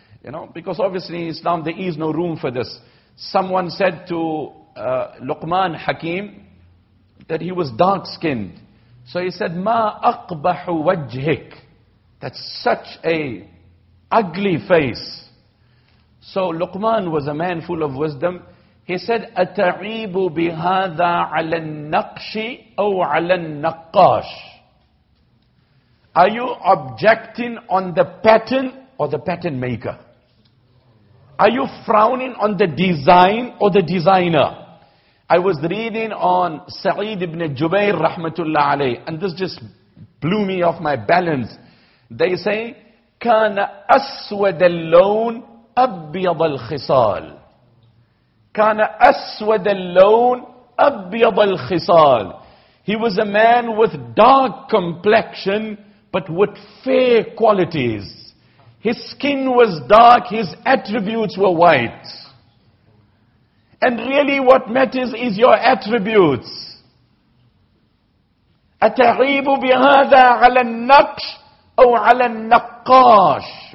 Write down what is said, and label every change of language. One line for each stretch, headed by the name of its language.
English: You know, because obviously in Islam there is no room for this. Someone said to Luqman Hakim that he was dark skinned. So he said,
Arabic: Ma aqbahu wajhik.
English: That's such a ugly face. So Luqman was a man full of wisdom. He said,
Arabic: أَتَعِيبُ بِهَذَا عَلَى النَّقْشِ أَوْ عَلَى النَّقَّاشِ.
English: Are you objecting on the pattern or the pattern maker? Are you frowning on the design or the designer? I was reading on Sa'id ibn Jubayr rahmatullah alayh, and this just blew me off my balance. They say,
Arabic: كَانَ أَسْوَدَ اللَّوْنِ أَبْيَضَ الْخِصَالِ. كان أسود اللون أبيض الخصال.
English: He was a man with dark complexion but with fair qualities. His skin was dark, his attributes were white. And really what matters is your attributes.
Arabic: أتعيب بهذا على النقش أو على النقاش.